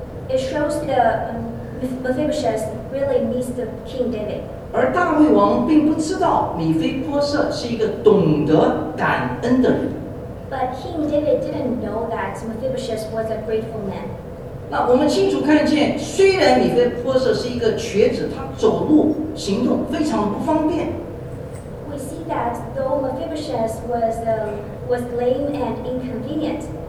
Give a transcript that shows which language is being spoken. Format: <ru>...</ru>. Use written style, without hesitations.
<en>It shows the Mephibosheth really missed King David.</en> <zh>而大卫王并不知道米非波设是一个懂得感恩的人。</zh> <en>But King David didn't know that Mephibosheth was a grateful man.</en> <zh>那我们清楚看见，虽然米非波设是一个瘸子，他走路行动非常不方便。</zh> <en>We see that though Mephibosheth was lame and inconvenient.</en>